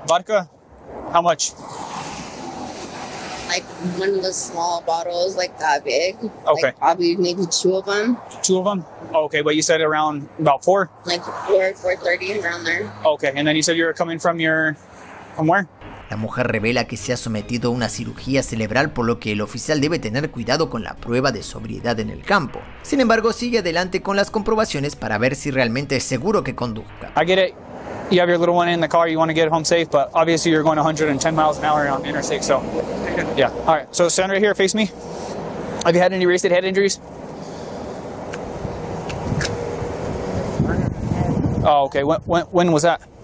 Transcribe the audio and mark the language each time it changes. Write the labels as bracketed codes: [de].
[en] Vodka? How much? Like one of the small bottles, like that big. Okay. Like probably maybe two of them. Two of them? Okay, but you said around about 4? Like 4:30, around there. Okay, and then you said you were coming from your... from where? [es] La mujer revela que se ha sometido a una cirugía cerebral, por lo que el oficial debe tener cuidado con la prueba de sobriedad en el campo. Sin embargo, sigue adelante con las comprobaciones para ver si realmente es seguro que conduzca. [en] I get it. You have your little one in the car. You want to get home safe, but obviously you're going 110 miles an hour on the interstate. So, yeah. All right. So stand right here, face me. Have you had any recent head injuries? Oh, okay. When was that?